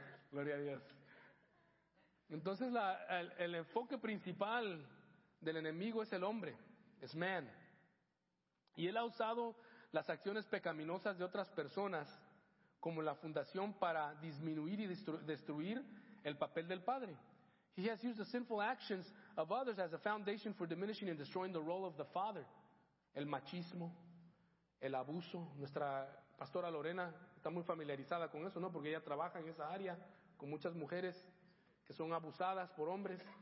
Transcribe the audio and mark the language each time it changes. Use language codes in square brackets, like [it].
[es] Gloria a Dios. Entonces, el enfoque principal del enemigo es el hombre, es man. Y él ha usado las acciones pecaminosas de otras personas como la fundación para disminuir y destruir el papel del padre. [en] He has used the sinful actions of others as a foundation for diminishing and destroying the role of the father. [es] El machismo, el abuso. Nuestra pastora Lorena está muy familiarizada con eso, ¿no? Porque ella trabaja en esa área con muchas mujeres que son abusadas por hombres.